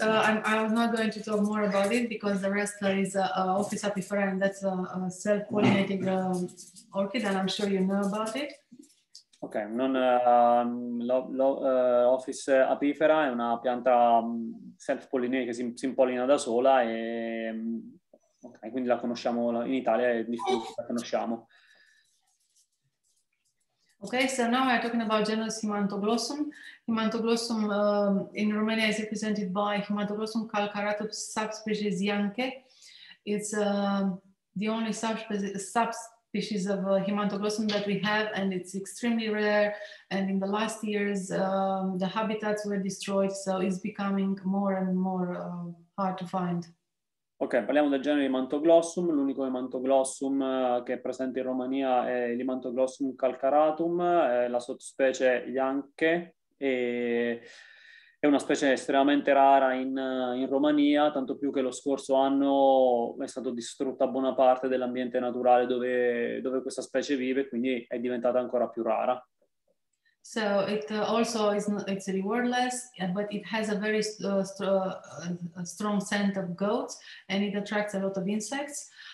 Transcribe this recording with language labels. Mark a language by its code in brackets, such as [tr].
[en] I'm not going to talk more about it because the rest is Opis apifera, and that's a self-pollinating orchid, and I'm sure you know about it. [it] Okay, non Opis apifera è una pianta self-pollinante che si impollina da sola, e okay, quindi la conosciamo in Italia, è diffusa, la conosciamo. [en] Okay, so now we are talking about genus Himantoglossum. Himantoglossum in Romania is represented by Himantoglossum calcaratus subspecies Yanke. It's the only subspecies of Himantoglossum that we have, and it's extremely rare. And in the last years, the habitats were destroyed, so it's becoming more and more hard to find. [it] Ok, parliamo del genere Himantoglossum. L'unico Himantoglossum che è presente in Romania è l'Himantoglossum calcaratum, la sottospecie Yanke, è una specie estremamente rara in Romania, tanto più che lo scorso anno è stata distrutta buona parte dell'ambiente naturale dove questa specie vive, quindi è diventata ancora più rara. [en] So it also is not, it's rewardless, but it has a very strong scent of goats, and it attracts a lot of insects.